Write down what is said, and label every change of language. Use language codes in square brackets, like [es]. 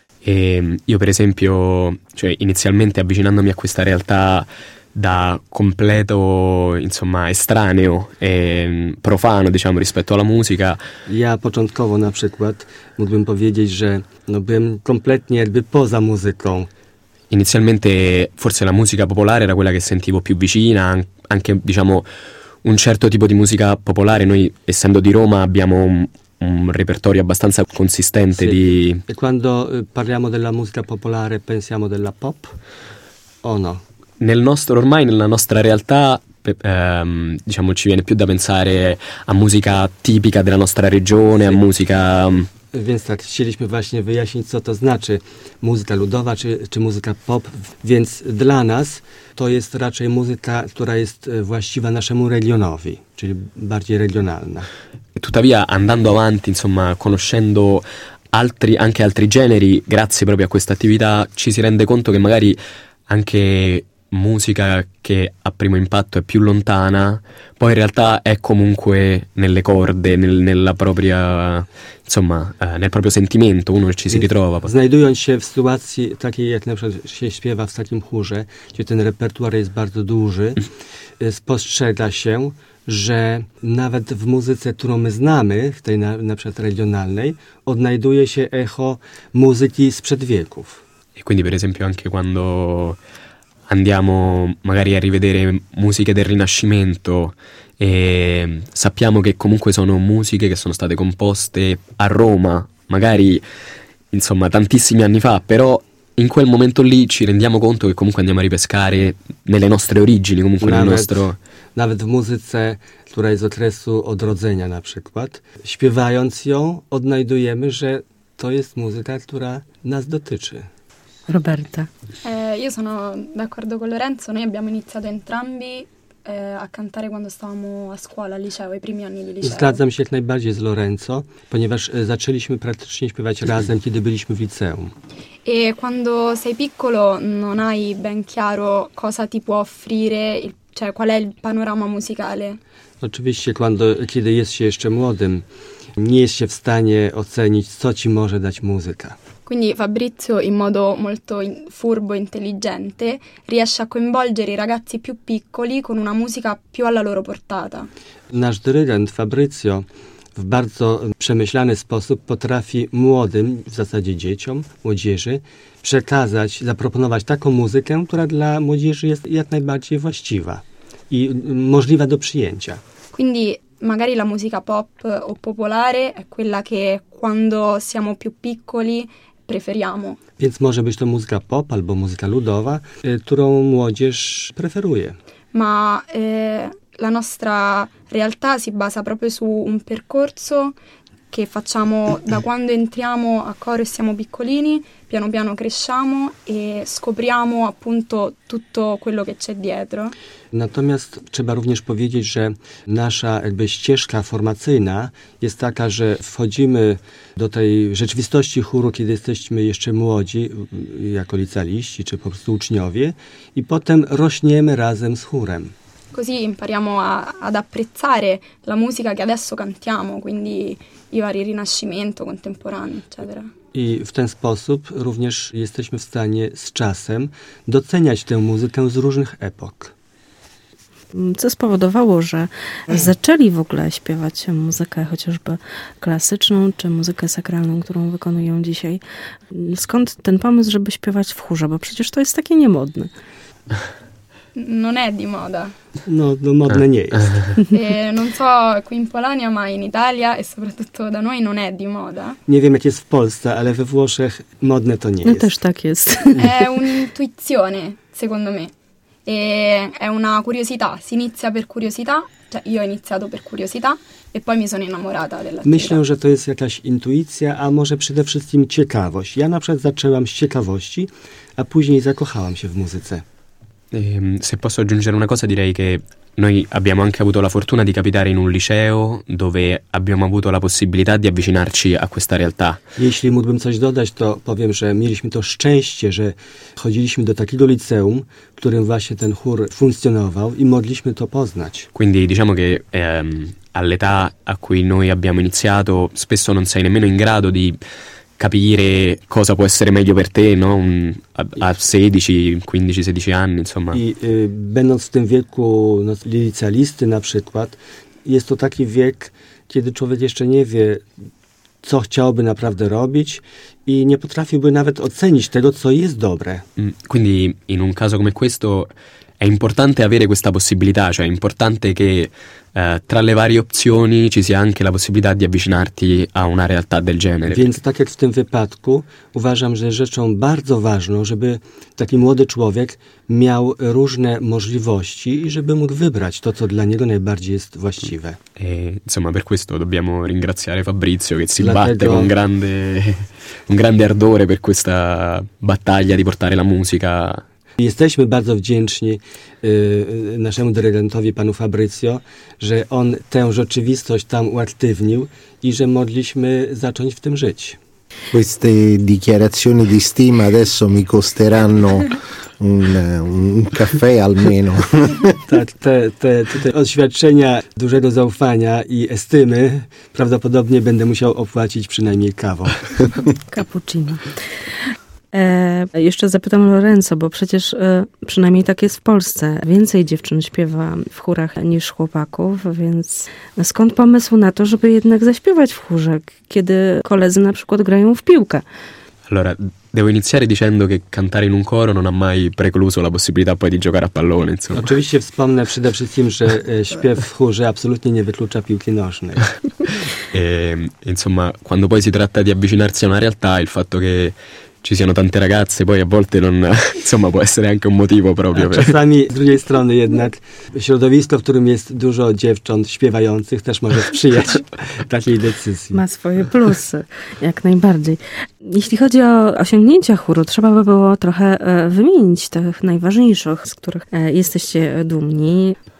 [it] E io, per esempio, cioè inizialmente avvicinandomi a questa realtà da completo, insomma, estraneo e profano, diciamo, rispetto alla musica. [pl] Ja początkowo na przykład mógłbym powiedzieć, że no byłem kompletnie jakby poza muzyką. [it] Inizialmente forse la musica popolare era quella che sentivo più vicina, anche diciamo un certo tipo di musica popolare. Noi, essendo di Roma, abbiamo un repertorio abbastanza consistente, sì, di... E quando parliamo della musica popolare pensiamo della pop o no? Nel nostro, ormai nella nostra realtà, diciamo, ci viene più da pensare a musica tipica della nostra regione, sì, a musica... [pl] Więc tak, chcieliśmy właśnie wyjaśnić, co to znaczy muzyka ludowa czy muzyka pop. Więc dla nas to jest raczej muzyka, która jest właściwa naszemu regionowi, czyli bardziej regionalna. [it] Tuttavia, andando avanti, insomma, conoscendo altri, anche altri generi, grazie proprio a questa attività, ci si rende conto che magari anche musica che a primo impatto è più lontana, poi in realtà è comunque nelle corde, nella propria, insomma, nel proprio sentimento, uno ci si ritrova. [pl] Znajdując się w sytuacji takiej, jak na przykład się śpiewa w takim chórze, gdzie ten repertuar jest bardzo duży, spostrzega się, że nawet w muzyce, którą my znamy, w tej na przykład regionalnej, odnajduje się echo muzyki sprzed wieków. [it] E quindi, per esempio, anche quando andiamo magari a rivedere musiche del Rinascimento e sappiamo che comunque sono musiche che sono state composte a Roma, magari, insomma, tantissimi anni fa, però in quel momento lì ci rendiamo conto che comunque andiamo a ripescare nelle nostre origini, comunque nel nostro... [pl] Nawet w muzyce, która jest z okresu odrodzenia na przykład, śpiewając ją, odnajdujemy, że to jest muzyka, która nas dotyczy. Roberta. [it] Io sono d'accordo con Lorenzo, noi abbiamo iniziato entrambi a cantare quando stavamo a scuola, al liceo, i primi anni di liceo. [pl] Zgadzam się jak najbardziej z Lorenzo, ponieważ zaczęliśmy praktycznie śpiewać razem, kiedy byliśmy w liceum. [it] E quando sei piccolo non hai ben chiaro cosa ti può offrire, cioè qual è il panorama musicale. [pl] Oczywiście, kiedy jest się jeszcze młodym, nie jest się w stanie ocenić, co ci może dać muzyka. [it] Quindi Fabrizio, in modo molto furbo e intelligente, riesce a coinvolgere i ragazzi più piccoli con una musica più alla loro portata. [pl] Nasz dyrygent Fabrizio w bardzo przemyślany sposób potrafi młodym, w zasadzie dzieciom, młodzieży, przekazać, zaproponować taką muzykę, która dla młodzieży jest jak najbardziej właściwa i możliwa do przyjęcia. [it] Quindi magari la musica pop o popolare è quella che quando siamo più piccoli preferiamo. [pl] Więc może być to muzyka pop albo muzyka ludowa, którą młodzież preferuje. [it] Ma la nostra realtà si basa proprio su un percorso che facciamo da quando entriamo a coro e siamo piccolini, piano piano cresciamo e scopriamo appunto tutto quello che c'è dietro. [pl] Natomiast trzeba również powiedzieć, że nasza jakby ścieżka formacyjna jest taka, że wchodzimy do tej rzeczywistości chóru, kiedy jesteśmy jeszcze młodzi, jako licealiści czy po prostu uczniowie, i potem rośniemy razem z chórem. [it] Così impariamo ad apprezzare la musica che adesso cantiamo, quindi i vari rinascimento, contemporaneo, eccetera. [pl] I w ten sposób również jesteśmy w stanie z czasem doceniać tę muzykę z różnych epok. Co spowodowało, że zaczęli w ogóle śpiewać muzykę chociażby klasyczną, czy muzykę sakralną, którą wykonują dzisiaj? Skąd ten pomysł, żeby śpiewać w chórze? Bo przecież to jest takie niemodne. [it] Non è di moda. [pl] No, modne nie jest. [it] Non so qui in Polonia, ma in Italia e soprattutto da noi non è di moda. [pl] Nie wiem, jak jest w Polsce, ale we Włoszech modne to nie no jest. No też tak jest. [it] È un'intuizione, secondo me. E è una curiosità. Si inizia per curiosità, cioè io ho iniziato per curiosità e poi mi sono innamorata della tira. [pl] Myślę, że to jest jakaś intuicja, a może przede wszystkim ciekawość. Ja na przykład zaczęłam z ciekawości, a później zakochałam się w muzyce. [it] Se posso aggiungere una cosa, direi che noi abbiamo anche avuto la fortuna di capitare in un liceo dove abbiamo avuto la possibilità di avvicinarci a questa realtà. [pl] Jeśli mógłbym coś dodać, to powiem, że mieliśmy to szczęście, że chodziliśmy do takiego liceum, w którym właśnie ten chór funzionował i mogliśmy to poznać. [it] Quindi diciamo che all'età a cui noi abbiamo iniziato spesso non sei nemmeno in grado di capire cosa può essere meglio per te, no? A 16, 15, 16 anni, insomma. [pl] Będąc w tym wieku licealisty na przykład, jest to taki wiek, kiedy człowiek jeszcze nie wie, co chciałby naprawdę robić i nie potrafiłby nawet ocenić tego, co jest dobre. [it] Quindi in un caso come questo è importante avere questa possibilità, cioè è importante che tra le varie opzioni ci sia anche la possibilità di avvicinarti a una realtà del genere. [pl] Więc tak jak w tym wypadku uważam, że rzeczą bardzo ważną, żeby taki młody człowiek miał różne możliwości i żeby mógł wybrać to, co dla niego najbardziej jest właściwe. [it] E, insomma, per questo dobbiamo ringraziare Fabrizio che si batte con grande, un grande ardore per questa battaglia di portare la musica. [pl] Jesteśmy bardzo wdzięczni naszemu dyrygentowi, panu Fabrizio, że on tę rzeczywistość tam uaktywnił i że mogliśmy zacząć w tym żyć. [it] Queste dichiarazioni di stima adesso mi costeranno un caffè almeno. [pl] Tak, te oświadczenia dużego zaufania i estymy prawdopodobnie będę musiał opłacić przynajmniej kawą. [it] Cappuccino. [pl] Jeszcze zapytam Lorenzo, bo przecież przynajmniej tak jest w Polsce. Więcej dziewczyn śpiewa w chórach niż chłopaków, więc skąd pomysł na to, żeby jednak zaśpiewać w chórze, kiedy koledzy na przykład grają w piłkę? [it] Allora, devo iniziare dicendo che cantare in un coro non ha mai precluso la possibilità poi di giocare a pallone, insomma. [pl] Oczywiście wspomnę przede wszystkim, że śpiew w chórze absolutnie nie wyklucza piłki nożnej. [it] E, insomma, quando poi si tratta di avvicinarsi a una realtà, il fatto che ci siano tante ragazze, poi a volte non, insomma, può essere anche un motivo proprio. [pl] Czasami z drugiej strony jednak środowisko, w którym jest dużo dziewcząt śpiewających, też może sprzyjać takiej decyzji. Ma swoje plusy, jak najbardziej. Jeśli chodzi o osiągnięcia chóru, trzeba by było trochę wymienić tych najważniejszych, z których jesteście dumni.